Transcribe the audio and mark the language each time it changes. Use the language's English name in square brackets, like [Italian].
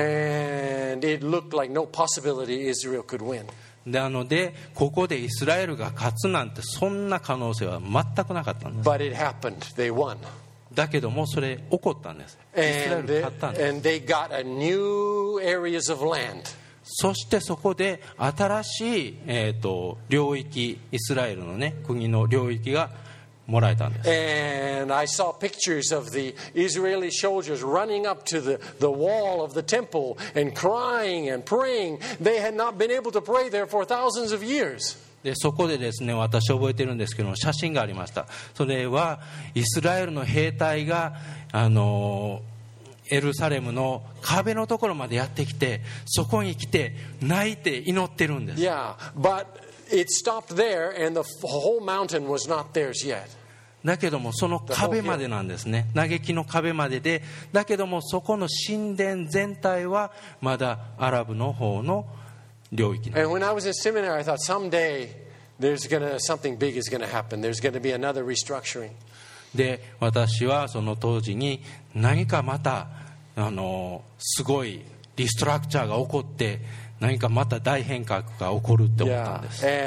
[English] And it looked like no possibility Israel could win. [Japanese] なので、ここでイスラエルが勝つなんて、そんな可能性は全くなかったんです。 [English] But it happened. They won. [Japanese] だけども、それ起こったんです。イスラエル勝ったんです。 [English] And they got a new areas of land. [Japanese] そしてそこで新しい、領域、イスラエルのね、国の領域がもらえたんです。 [English] And I saw pictures of the Israeli soldiers running up to the wall of the temple and crying and praying. They had not been able to pray there for thousands of years. [Japanese] で、そこでですね、私覚えてるんですけど、写真がありました。それはイスラエルの兵隊がエルサレムの壁のところまでやってきて、そこに来て泣いて祈ってるんです。 [English] Yeah, but it stopped there, and the whole mountain was not theirs yet. [Japanese] だけどもその壁までなんですね。嘆きの壁までで、だけどもそこの神殿全体はまだアラブの方の領域なんです。 [English] And when I was in seminary, I thought someday there's gonna something big is gonna happen. There's gonna be another restructuring. [Japanese] で、私はその当時に何かまたすごいリストラクチャーが起こって。何かまた大変革が起こると思ったんです。